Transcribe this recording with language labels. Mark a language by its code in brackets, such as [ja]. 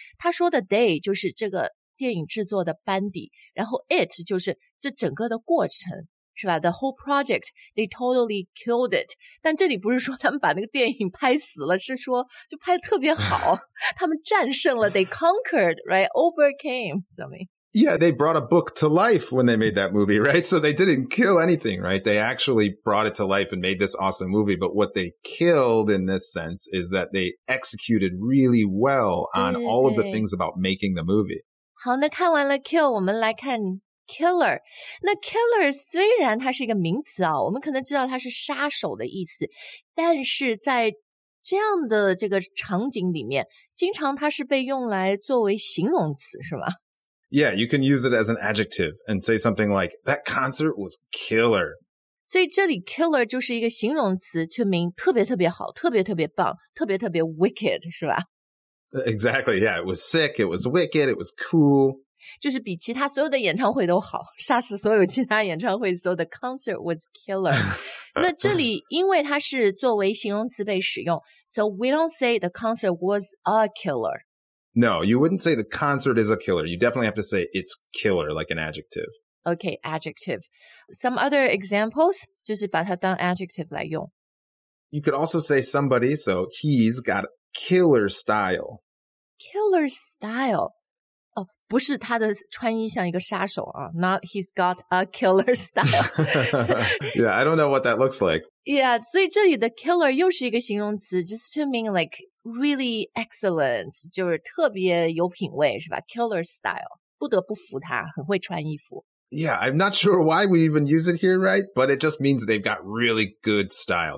[zh] 他说的 they 就是这个电影制作的班底，然后 it 就是这整个的过程。是吧 [en] ?The whole project, they totally killed it. [zh] 但这里不是说他们把那个电影拍死了是说就拍得特别好。他们战胜了 [en] ,they conquered, right? Overcame something. Yeah, they brought a book to life when they made that movie, right? So they didn't kill anything, right? They actually brought it to life and made this awesome movie. But what they killed in this sense is that they executed really well on all of the things about making the movie. [zh] 好那看完了 kill, 我们来看Killer, 那 killer 虽然它是一个名词啊，我们可能知道它是杀手的意思，但是在这样的这个场景里面，经常它是被用来作为形容词，是吧？ [en] Yeah, you can use it as an adjective and say something like, that concert was killer. [zh] 所以这里 killer 就是一个形容词，就名特别特别好，特别特别棒，特别特别 wicked, 是吧？ [en] Exactly, yeah, it was sick, it was wicked, it was cool. [zh] 就是比其他所有的演唱会都好，杀死所有其他演唱会， [en] so the concert was killer. [zh] 那这里因为它是作为形容词被使用， [en] so we don't say the concert was a killer. No, you wouldn't say the concert is a killer. You definitely have to say it's killer, like an adjective. Okay, adjective. Some other examples, [zh] 就是把它当 adjective 来用。 [en] You could also say somebody, so he's got killer style. Killer style. [zh] Oh, 不是他的穿衣像一个杀手啊。 [en] Not he's got a killer style. Yeah, I don't know what that looks like. [zh] Yeah, 所以这里的 killer 又是一个形容词 [en] just to mean like,Really excellent, [zh] 就是特别有品味是吧 ?Killer style, 不得不服他很会穿衣服。 [en] Yeah, I'm not sure why we even use it here, right? But it just means they've got really good style.